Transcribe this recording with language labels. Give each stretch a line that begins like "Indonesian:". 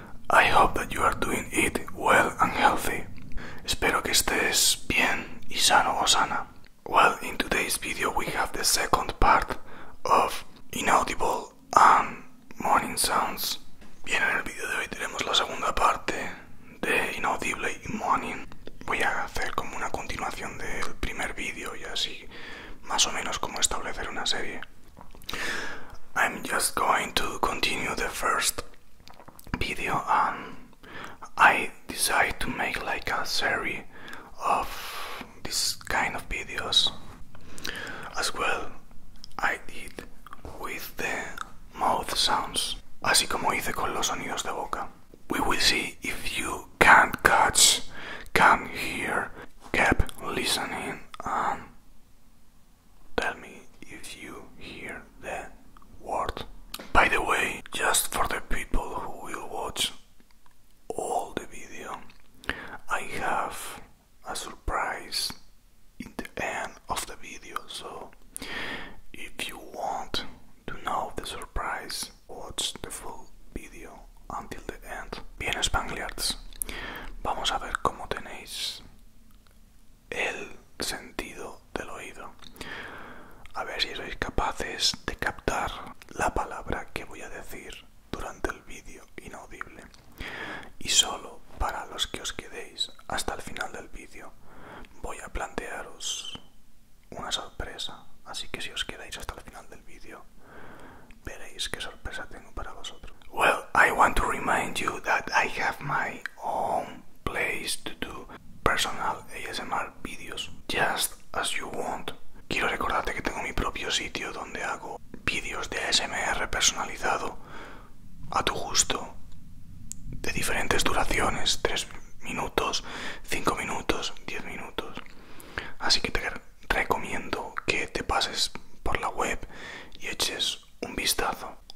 English: I hope that you are doing it well and healthy.
Spanish: Espero que estés bien y sano o sana.
English: Well, in today's video we have the second part of Inaudible and Morning Sounds.
Spanish: Bien, en el video de hoy tenemos la segunda parte de Inaudible y Morning. Voy a hacer como una continuación del primer vídeo y así más o menos como establecer una serie.
English: I'm just going to continue the first video and I decide to make like a series of this kind of videos as well I did with the mouth sounds,
Spanish: así como hice con los sonidos de boca.
English: We will see if you can't catch, can't hear, kept listening and tell me if you hear the word. By the way, just for the people who will watch all the video, I have a surprise in the end of the video, so if you want to know the surprise, watch the full video until the end.
Spanish: Bien, Spangliards, vamos a ver cómo tenéis el sentido del oído. A ver si sois capaces de captar la palabra que voy a decir durante el vídeo inaudible. Y solo para los que os quedéis hasta el final del vídeo, voy a plantearos una sorpresa. Así que si os quedáis hasta el final del vídeo, veréis qué sorpresa tengo para vosotros. Well, I want to remind you that I have my own place to do personal ASMR videos, just as you want. Quiero recordarte que tengo mi propio sitio donde hago vídeos de ASMR personalizado a tu gusto, de diferentes duraciones, 3 minutos, 5 minutos, 10 minutos. Así que te recomiendo que te pases por la web y eches un vistazo.